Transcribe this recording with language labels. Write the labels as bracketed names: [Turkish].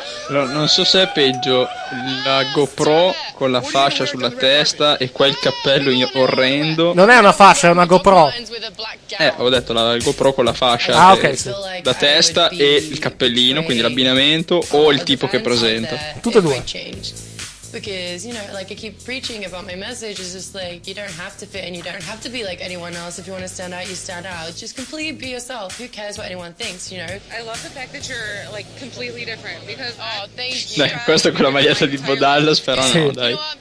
[Italian] Non so se è peggio la GoPro con la fascia sulla testa e quel cappello orrendo. Non è una fascia, è una GoPro. Ho detto la GoPro con la fascia da testa e il cappellino, quindi l'abbinamento o il tipo che presenta. Tutte e due. [English] Because, you know, like I keep preaching about my message, it's just like you don't have to fit and you don't have to be like anyone else. If you want to stand out, you stand out. Just completely be yourself. Who cares what anyone thinks, you know? I love the fact that you're like completely different because thank you. [Italian] Dai, questo è con la maglietta di Bo Dallas, però no, dai.